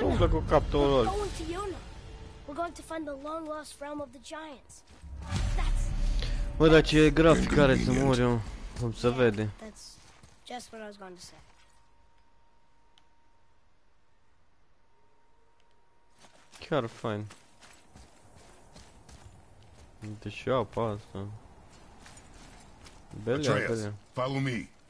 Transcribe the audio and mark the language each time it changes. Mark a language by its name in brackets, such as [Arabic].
[English] We're going to find the long lost realm of the giants. [Romanian] Bă, ce grafic are, să mor eu. Cum se vede. [English] That's just what I was going to say. [Romanian] Chiar fain. Deși apa asta. Bele, bele. [English] Follow me.